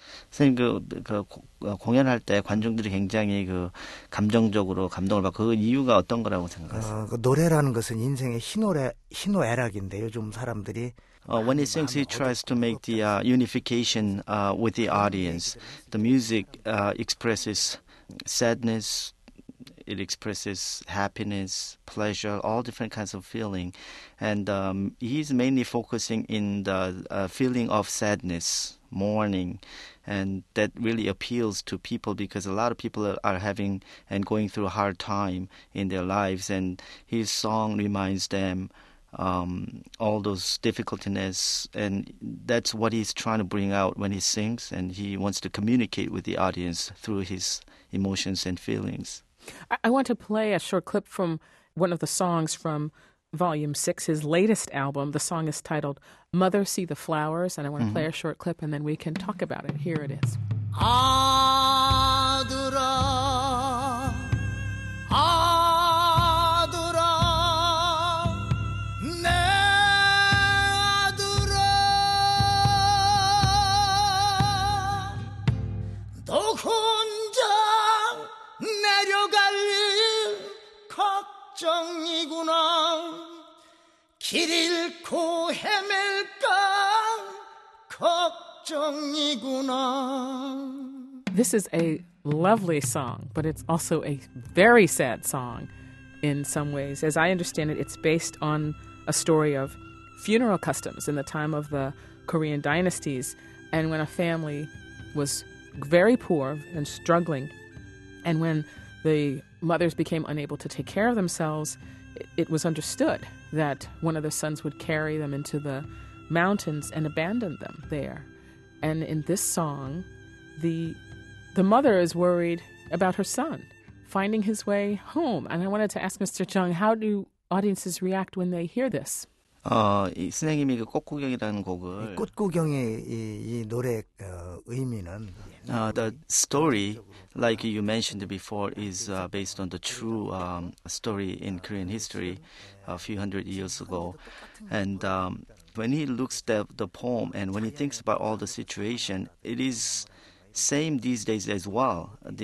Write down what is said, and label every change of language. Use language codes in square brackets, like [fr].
[ko] 선생님, 그 공연할 때 관중들이 굉장히 그 감정적으로 감동을 받고, 그 이유가 어떤 거라고 생각하세요? 그 노래라는 것은 인생의 희노애락인데, 요즘 사람들이 [en] When he sings, he tries to make the unification with the audience. The music expresses sadness, it expresses happiness, pleasure, all different kinds of feeling. And he's mainly focusing in the feeling of sadness, mourning. And that really appeals to people because a lot of people are having and going through a hard time in their lives. And his song reminds them all those difficultiness, and that's what he's trying to bring out when he sings, and he wants to communicate with the audience through his emotions and feelings. I want to play a short clip from one of the songs from Volume 6, his latest album. The song is titled Mother See the Flowers, and I want to play a short clip and then we can talk about it. Here it is. [ko] 아들아, 길 잃고 헤맬까 걱정이구나. [en] This is a lovely song, but it's also a very sad song in some ways. As I understand it, it's based on a story of funeral customs in the time of the Korean dynasties, and when a family was very poor and struggling, and when the mothers became unable to take care of themselves, it was understood that one of the sons would carry them into the mountains and abandon them there. And in this song, the mother is worried about her son finding his way home. And I wanted to ask Mr. Chung, how do audiences react when they hear this? [ko] 이 선생님이 그 꽃구경이라는 곡을 꽃구경의 이 노래 의미는 [en] The story, like you mentioned before, is based on the true story in Korean history a few hundred years ago. And when he looks at the poem and when he thinks about all the situation, it is same these days as well.